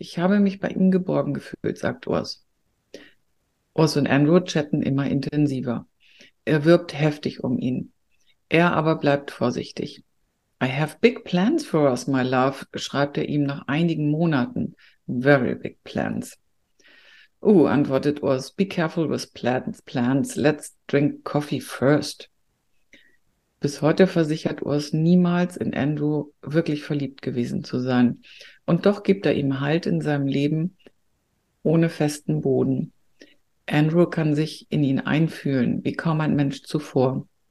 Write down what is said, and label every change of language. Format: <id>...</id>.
<de>Ich habe mich bei ihm geborgen gefühlt, sagt Urs. Urs und Andrew chatten immer intensiver. Er wirbt heftig um ihn. Er aber bleibt vorsichtig.</de> <en>I have big plans for us, my love,</en> <de>schreibt er ihm nach einigen Monaten.</de> <en>Very big plans. Oh,</en> <de>antwortet</de> <en>Urs, be careful with plans. Let's drink coffee first.</en> <de>Bis heute versichert Urs niemals in Andrew wirklich verliebt gewesen zu sein. Und doch gibt er ihm Halt in seinem Leben ohne festen Boden. Andrew kann sich in ihn einfühlen, wie kaum ein Mensch zuvor.</de>